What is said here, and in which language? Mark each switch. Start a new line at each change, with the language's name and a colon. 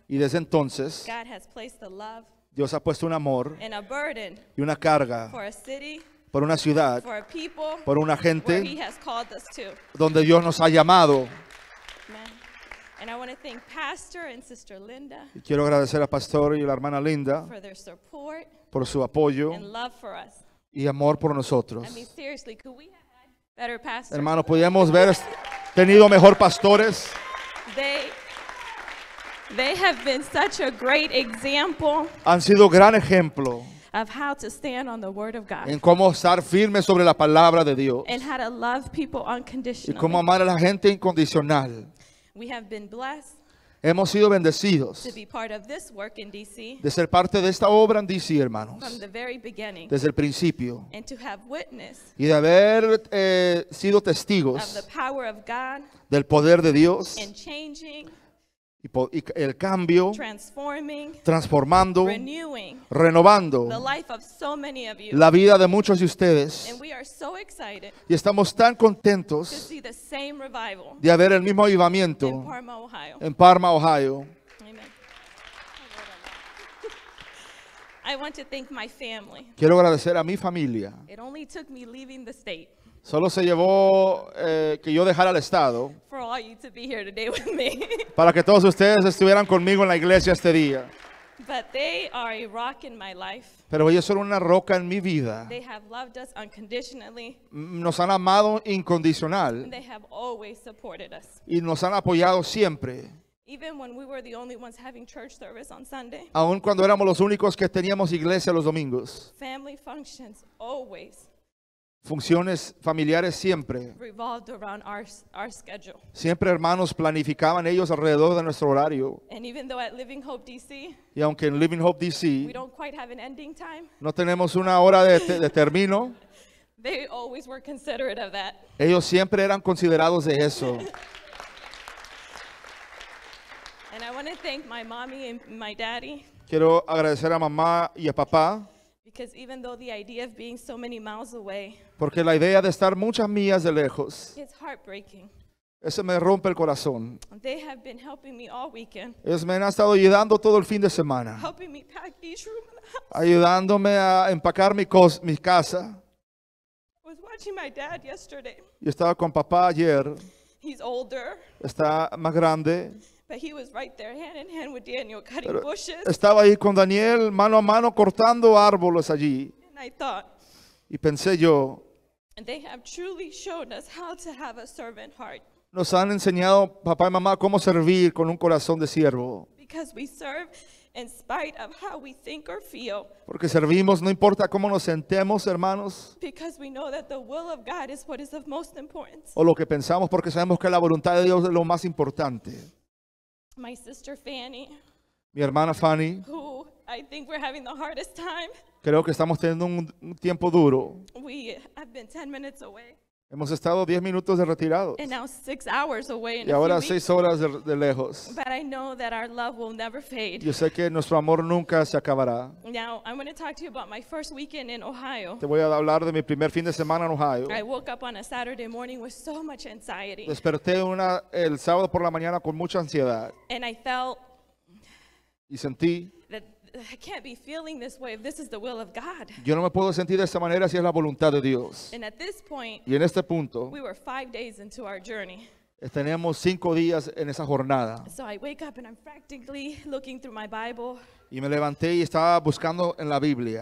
Spanish: Y desde entonces.
English: God has placed the love.
Spanish: Dios ha puesto un amor
English: burden,
Spanish: y una carga
English: for a city,
Spanish: por una ciudad,
English: for a people,
Spanish: por una gente
English: where he has called us to.
Spanish: Donde Dios nos ha llamado.
English: And I want to thank Pastor and Sister Linda,
Spanish: y quiero agradecer al pastor y la hermana Linda
English: for their support,
Spanish: por su apoyo
English: and love for us.
Spanish: Y amor por nosotros.
English: I mean, seriously, could we have had better pastors?
Spanish: Hermano, ¿podríamos haber tenido mejor pastores?
English: They, They have been such a great example.
Spanish: Han sido gran ejemplo.
English: Of how to stand on the word of God.
Spanish: En cómo estar firme sobre la palabra de Dios.
English: And how to love people unconditionally.
Spanish: Y cómo amar a la gente incondicional.
English: We have been blessed.
Spanish: Hemos sido bendecidos
English: to be part of this work in DC,
Spanish: de ser parte de esta obra en DC, hermanos,
English: from the very beginning,
Spanish: desde el principio,
English: and to have witness,
Spanish: y de haber sido testigos
English: of the power of God,
Spanish: del poder de Dios
English: and changing,
Spanish: y el cambio,
English: transforming,
Spanish: transformando,
English: renewing,
Spanish: renovando
English: the life of so many of you,
Spanish: la vida de muchos de ustedes.
English: And we are so excited,
Spanish: y estamos tan contentos
English: to see the same revival,
Spanish: de haber el mismo avivamiento
English: in Parma, Ohio.
Spanish: En Parma, Ohio.
English: I want to thank my family.
Spanish: Quiero agradecer a mi familia.
English: It only took me leaving the state.
Spanish: Solo se llevó que yo dejara el estado
English: for all you to be here today with me.
Spanish: Para que todos ustedes estuvieran conmigo en la iglesia este día.
English: But they are a rock in my life.
Spanish: Pero ellos son una roca en mi vida.
English: They have loved us unconditionally.
Spanish: Nos han amado incondicional.
English: And they have always supported us.
Spanish: Y nos han apoyado siempre.
English: Even when we were the only ones having church service on Sunday.
Spanish: Aun cuando éramos los únicos que teníamos iglesia los domingos.
English: Family functions always.
Spanish: Funciones familiares siempre.
English: Revolved around our schedule.
Spanish: Siempre, hermanos, planificaban ellos alrededor de nuestro horario.
English: And even though at Living Hope DC,
Spanish: y aunque en Living Hope DC
English: we don't quite have an ending time,
Spanish: no tenemos una hora de término,
English: they always were considerate of that.
Spanish: Ellos siempre eran considerados de eso.
English: And I want to thank my mommy and my daddy.
Spanish: Quiero agradecer a mamá y a papá.
English: Because even though the idea of being so many miles away,
Spanish: porque la idea de estar muchas millas de lejos,
English: it's heartbreaking.
Spanish: Eso me rompe el corazón.
English: They have been helping me all weekend.
Spanish: Ellos me han estado ayudando todo el fin de semana.
English: Helping me pack each room in the house.
Spanish: Ayudándome a empacar mi casa.
English: I was watching my dad yesterday.
Spanish: Yo estaba con papá ayer.
English: He's older.
Spanish: Está más grande.
English: But he was right there, hand in hand with Daniel, cutting pero bushes.
Spanish: Estaba ahí con Daniel, mano a mano, cortando árboles allí.
English: And I thought,
Spanish: y pensé yo,
English: and they have truly shown us how to have a servant heart.
Spanish: Nos han enseñado, papá y mamá, cómo servir con un corazón de siervo.
English: Because we serve in spite of how we think or feel.
Spanish: Porque servimos, no importa cómo nos sentemos, hermanos.
English: Because we know that the will of God is what is of most importance.
Spanish: O lo que pensamos, porque sabemos que la voluntad de Dios es lo más importante.
English: My sister Fanny.
Spanish: Mi hermana Fanny.
English: Who I think we're having the hardest time.
Spanish: Creo que estamos teniendo un tiempo duro.
English: We have been 10 minutes away.
Spanish: Hemos estado 10 minutos de retirados.
English: And now 6 hours away in a few.
Spanish: Y ahora 6 horas de lejos.
English: But I know that our love will never fade.
Spanish: Yo sé que nuestro amor nunca se acabará.
English: Now I'm going to talk to you about my first weekend in Ohio.
Spanish: Te voy a hablar de mi primer fin de semana en Ohio.
English: I woke up on a Saturday morning with so much anxiety.
Spanish: Desperté el sábado por la mañana con mucha ansiedad.
English: And I felt.
Spanish: Y sentí.
English: I can't be feeling this way if this is the will of God.
Spanish: Yo no me puedo sentir de esta manera si es la voluntad de Dios.
English: And at this point,
Spanish: y en este punto,
English: we were 5 days into our journey.
Spanish: Tenemos 5 días en esa jornada.
English: So I wake up and I'm frantically looking through my Bible.
Spanish: Y me levanté y estaba buscando en la Biblia.